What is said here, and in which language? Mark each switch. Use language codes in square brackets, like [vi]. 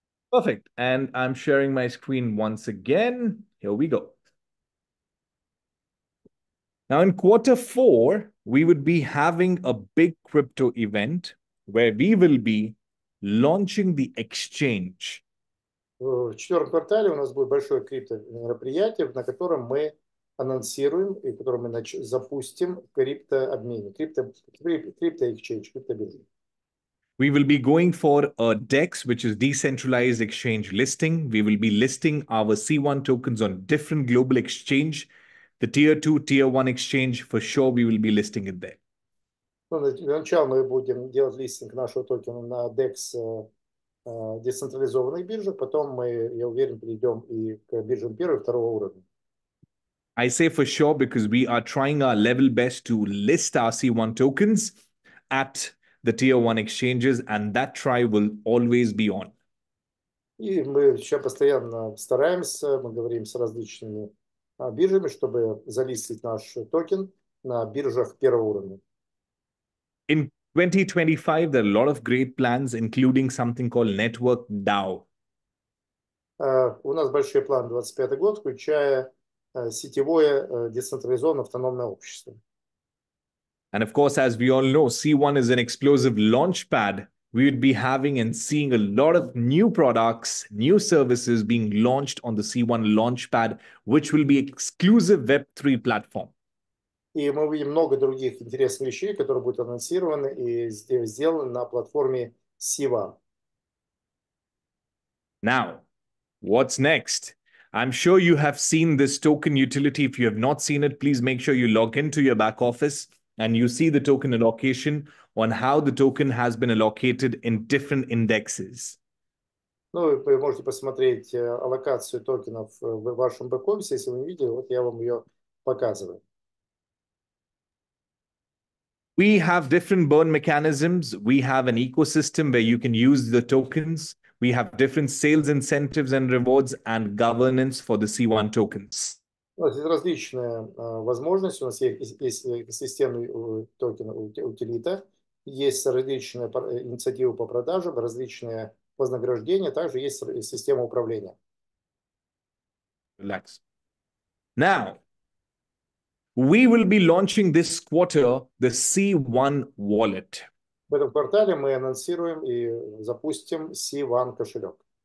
[en] Perfect. And I'm sharing my screen once again. Here we go. Now, in quarter four, we would be having a big crypto event where we will be launching the exchange. [ru] В четвертом квартале у нас будет большое крипто мероприятие, на котором мы анонсируем и которым мы запустим криптообмен, криптоэкшендж, криптобиржу. [en] We will be going for a DEX, which is decentralized exchange listing. We will be listing our C1 tokens on different global exchange. The tier 2, tier 1 exchange, for sure we will be listing it there. [ru] Ну, для начала мы будем делать листинг нашего токена на DEX децентрализованной бирже, потом мы, я уверен, перейдем и к биржам первого и второго уровня. [en] I say for sure because we are trying our level best to list our C1 tokens at the tier 1 exchanges, and that try will always be on. [ru] И мы еще постоянно стараемся, мы говорим с различными биржами, чтобы залистить наш токен на биржах первого уровня. [en] In 2025 there are a lot of great plans, including something called Network DAO. [ru] У нас большие планы 25 год, включая сетевое децентрализованное автономное общество. [en] And of course, as we all know, C1 is an explosive launchpad. We would be having and seeing a lot of new products, new services being launched on the C1 launchpad, which will be exclusive Web3 platform. [ru] И мы увидим много других интересных вещей, которые будут анонсированы и сделаны на платформе C1. [en] Now, what's next? I'm sure you have seen this token utility. If you have not seen it, please make sure you log into your back office and you see the token allocation on how the token has been allocated in different indexes. [ru] Ну, вы можете посмотреть аллокацию токенов в вашем бэк-офисе, если вы не видели, вот я вам ее показываю. [en] We have different burn mechanisms. We have an ecosystem where you can use the tokens. We have different sales incentives and rewards and governance for the C1 tokens. [ru] У нас есть различные возможности. У нас есть системный токен утилита, есть различные инициативы по продажам, различные вознаграждения, также есть система управления. [en] Relax. Now, we will be launching this quarter the C1 wallet. [ru] В этом квартале мы анонсируем и запустим C1 кошелек.